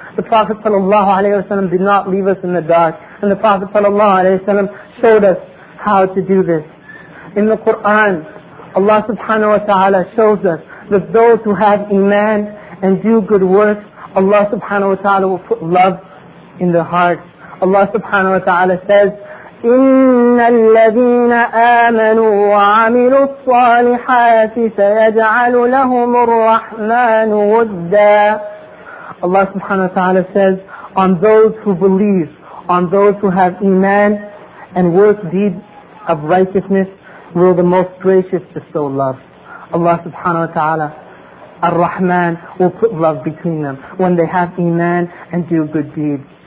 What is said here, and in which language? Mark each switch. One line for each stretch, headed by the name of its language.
English: The Prophet sallallahu alayhi wa sallam did not leave us in the dark. And the Prophet sallallahu alayhi wa sallam showed us how to do this. In the Quran, Allah subhanahu wa ta'ala shows us that those who have iman and do good works, Allah subhanahu wa ta'ala will put love in their hearts. Allah subhanahu wa ta'ala says,
Arabic: إِنَّ الَّذِينَ آمَنُوا وَعَمِلُوا الصَّالِحَاتِ سَيَجْعَلُ لَهُمُ الرَّحْمَنُ وُدًّا.
English: Allah subhanahu wa ta'ala says, on those who believe, on those who have iman and work deeds of righteousness, will the Most Gracious bestow love. Allah subhanahu wa ta'ala, Ar-Rahman, will put love between them when they have iman and do good deeds.